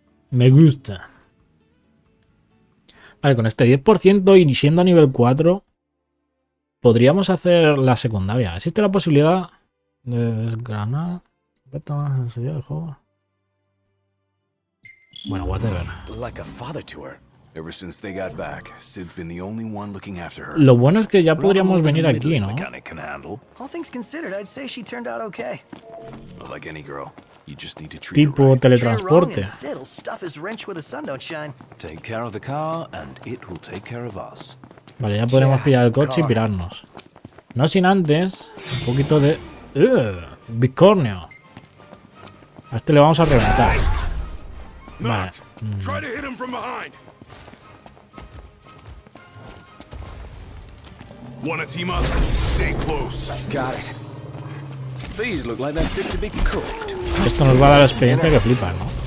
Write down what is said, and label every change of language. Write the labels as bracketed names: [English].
[Spanish] Me gusta. Vale, con este 10% y siendo a nivel 4, podríamos hacer la secundaria. ¿Existe la posibilidad de desgranar? ¿Esto más en serio del juego? Bueno, whatever. [English] Like a father to her. Ever since they got back, Sid's been the only one looking after her. [Spanish] Lo bueno es que ya podríamos venir aquí, ¿no? [English] All things considered, I'd say she turned out okay. Like any girl. You just need to treat [Spanish] tipo [English] right. [Spanish] Teletransporte. [English] Sid'll stuff his wrench where the sun don't shine. Take care of the car and it will take care of us. [Spanish] Vale, ya podemos pillar el coche y pirarnos. No sin antes un poquito de bicornio. A este le vamos a reventar. Vale. [English] Try to hit him from behind. Wanna team up? Stay close. Got it. These look like they're fit to be cooked. [Spanish] Esto nos va a dar la experiencia que flipa, ¿no?